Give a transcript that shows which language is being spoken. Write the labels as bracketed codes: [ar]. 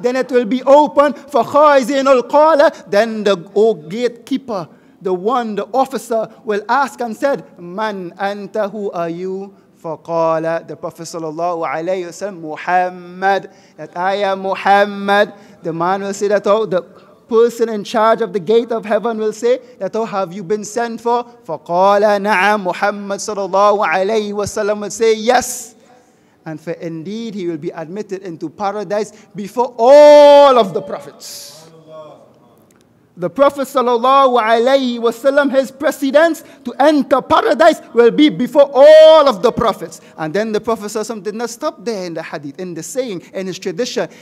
[en] Then it will be open. [ar] Fakhazin al-qala. [en] Then the gatekeeper, the one, the officer, will ask and said, [ar] Man anta, [en] who are you? Faqala, the Prophet sallallahu alayhi wa sallam, Muhammad. That I am Muhammad. The man will say that, oh, the person in charge of the gate of heaven will say that, oh, have you been sent for? [ar] فَقَالَ نَعَمْ مُحَمَّدْ صَلَى اللَّهُ عَلَيْهِ وَسَلَّمْ, [en] will say yes. And for indeed he will be admitted into paradise before all of the prophets. The Prophet sallallahu alayhi wasallam, his precedence to enter paradise will be before all of the prophets. And then the Prophet sallallahu alayhi wasallam did not stop there in the hadith, in the saying, in his tradition.